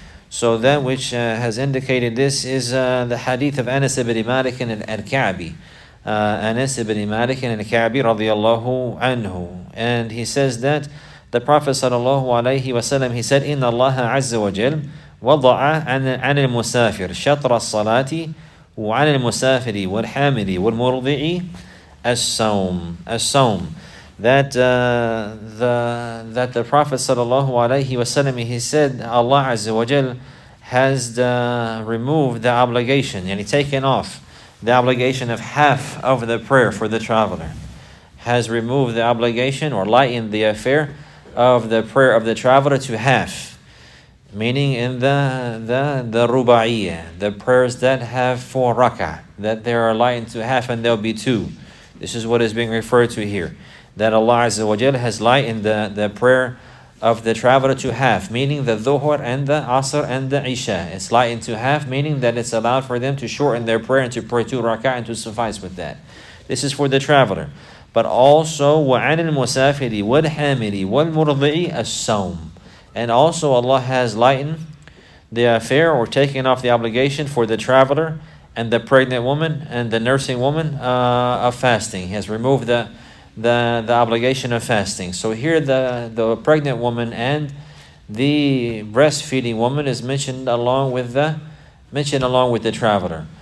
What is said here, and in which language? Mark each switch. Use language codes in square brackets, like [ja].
[en] So that which has indicated this is the hadith of Anas ibn Malik and al-Ka'bi. Radiallahu anhu. And he says that the Prophet sallallahu alayhi wa sallam, he said, [ar] إِنَّ اللَّهَ عَزَّ وَجَلْ وَضَعَ عَنِ الْمُسَافِرِ شَطْرَ الصَّلَاةِ وَعَنِ الْمُسَافِرِ وَالْحَامِلِ وَالْمُرْضِعِ الصَّوْمِ. [en] That the Prophet sallallahu alayhi wa sallam, he said, Allah Azza wa Jal has removed the obligation, and he taken off the obligation of half of the prayer for the traveler. Has removed the obligation, or lightened the affair of the prayer of the traveler to half. Meaning in the ruba'iyah, the prayers that have four rak'ah, that they are lightened to half and there'll be two. This is what is being referred to here. That Allah Azza wa Jal has lightened the prayer of the traveler to half, meaning the dhuhr and the asr and the isha. It's lightened to half, meaning that it's allowed for them to shorten their prayer and to pray two rak'ah and to suffice with that. This is for the traveler. But also [ar] وعن المسافر والحامل والمرضع الصوم. [en] And also Allah has lightened the affair or taken off the obligation for the traveler and the pregnant woman and the nursing woman of fasting. He has removed the obligation of fasting. So here the pregnant woman and the breastfeeding woman is mentioned along with the traveler.